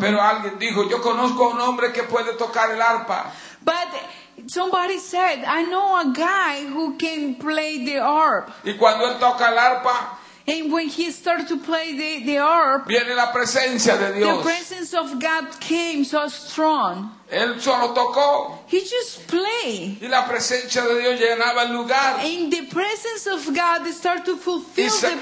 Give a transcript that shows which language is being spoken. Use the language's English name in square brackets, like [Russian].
[Spanish] Pero alguien dijo, yo conozco a un hombre que puede tocar el arpa. [English] But somebody said, I know a guy who can play the harp. [Spanish] Y cuando él toca el arpa, [English] and when he started to play the harp, [Spanish] viene la presencia de Dios. [English] The presence of God came so strong. [Spanish] Él solo tocó. [English] He just played. [Spanish] Y la presencia de Dios llenaba el lugar. [English] And the presence of God started to fulfill the place.